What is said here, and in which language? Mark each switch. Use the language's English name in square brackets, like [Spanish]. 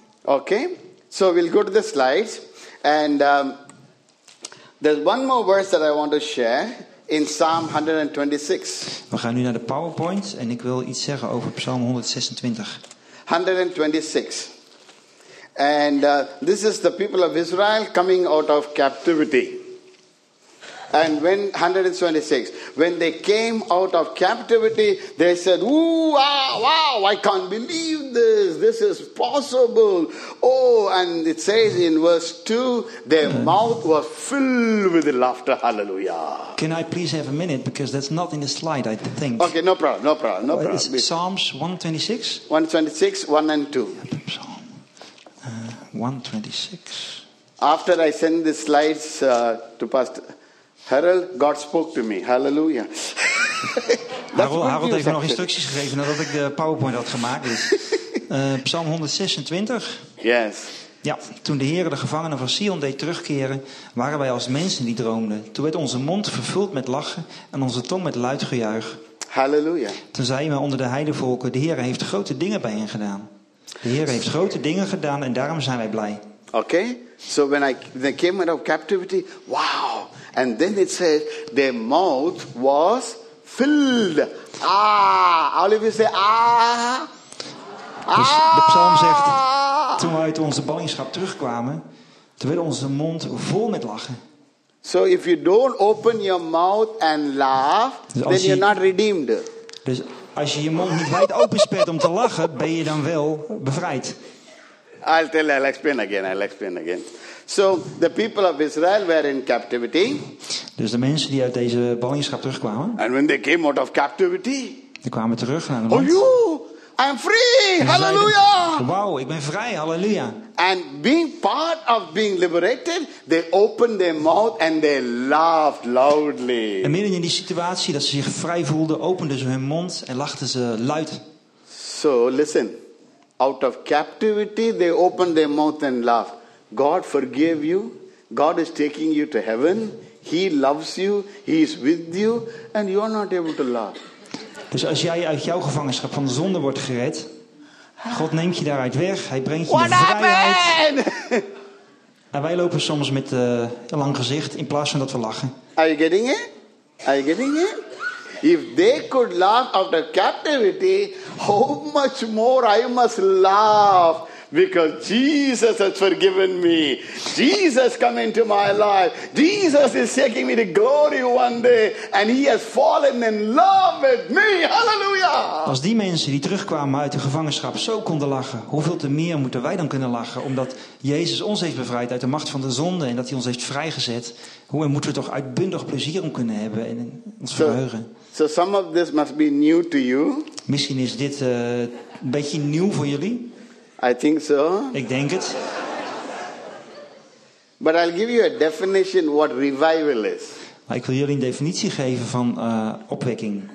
[English] Okay, so we'll go to the slides. And there's one more verse that I want to share in Psalm 126. [Dutch] We gaan nu naar de PowerPoint en ik wil iets zeggen over Psalm 126. 126. [English] And this is the people of Israel coming out of captivity. And when 126, when they came out of captivity, they said, "Ooh, wow, I can't believe this. This is possible." Oh, and it says in verse 2, their mouth was filled with laughter. Hallelujah. Can I please have a minute? Because that's not in the slide, I think. Okay, no problem, no problem, no problem. It's Psalms 126. 126, 1 and 2. Psalm 126. After I send the slides to Pastor Harold, God spoke to me. Hallelujah. [Dutch] Harold heeft me nog instructies gegeven nadat ik de PowerPoint had gemaakt. Dus, Psalm 126. [English] Yes. [Dutch] Ja, toen de Heere de gevangenen van Sion deed terugkeren, waren wij als mensen die droomden. Toen werd onze mond vervuld met lachen en onze tong met luid gejuich. Hallelujah. Toen zei men onder de heidenvolken, de Heere heeft grote dingen bij hen gedaan. De Heere heeft grote dingen gedaan en daarom zijn wij blij. [English] Okay. So when they came out of captivity, wow. And then it says, their mouth was filled. Ah, all of you say, ah. [Dutch] Dus de psalm zegt, toen we uit onze ballingschap terugkwamen, toen werd onze mond vol met lachen. [English] So if you don't open your mouth and laugh, [Dutch] dus [English] then you're not redeemed. [Dutch] Dus als je je mond niet wijd opensperrt om te lachen, ben je dan wel bevrijd. [English] I'll explain again. So the people of Israel were in captivity. [Dutch] Dus de mensen die uit deze ballingschap terugkwamen. [English] And when they came out of captivity. [Dutch] Die kwamen terug naar de mond. [English] Oh, you! I'm free! Hallelujah! [Dutch] Wow, ik ben vrij! Hallelujah! [English] And being part of being liberated, they opened their mouth and they laughed loudly. [Dutch] En midden in die situatie dat ze zich vrij voelden, openden ze hun mond en lachten ze luid. [English] So listen. Out of captivity, they opened their mouth and laughed. God forgave you. God is taking you to heaven. He loves you. He is with you. And you are not able to laugh. [Dutch] Dus als jij uit jouw gevangenschap van de zonde wordt gered, God neemt je daaruit weg. Hij brengt je [English] What [Dutch] de vrijheid. [English] Happened? [Dutch] En wij lopen soms met een lang gezicht in plaats van dat we lachen. [English] Are you getting it? Are you getting it? If they could laugh after captivity, how much more I must laugh. Because Jesus has forgiven me. Jesus come into my life. Jesus is taking me to glory one day. And he has fallen in love with me. Hallelujah. [Dutch] Als die mensen die terugkwamen uit de gevangenschap zo konden lachen, hoeveel te meer moeten wij dan kunnen lachen? Omdat Jezus ons heeft bevrijd uit de macht van de zonde en dat hij ons heeft vrijgezet. Hoe moeten we toch uitbundig plezier om kunnen hebben en ons verheugen? [English] So some of this must be new to you. [Dutch] Misschien is dit een beetje nieuw voor jullie. [English] I think so. [Dutch] Ik denk het. [English] But I'll give you a definition what revival is. [Dutch] Ik wil jullie een definitie geven van opwekking.